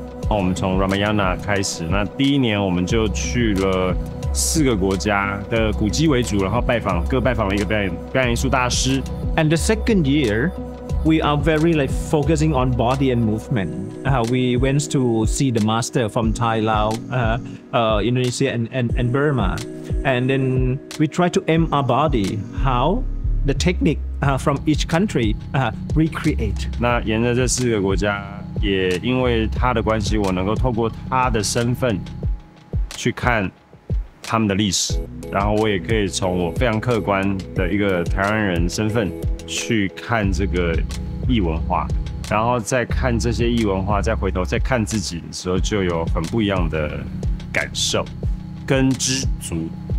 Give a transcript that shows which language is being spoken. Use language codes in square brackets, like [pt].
[zh] 那我们从 Ramayana 开始，那第一年我们就去了四个国家的古迹为主，然后拜访了一个表演艺术大师。 [en] And the second year, we are very like focusing on body and movement. We went to see the master from Thai, Lao, Indonesia, and Burma, and then we try to aim our body how the technique from each country recreate. [zh] 那沿着这四个国家。也因为他的关系，我能够透过他的身份去看他们的历史，然后我也可以从我非常客观的一个台湾人身份去看这个异文化，然后再看这些异文化，再回头再看自己的时候，就有很不一样的感受跟知足。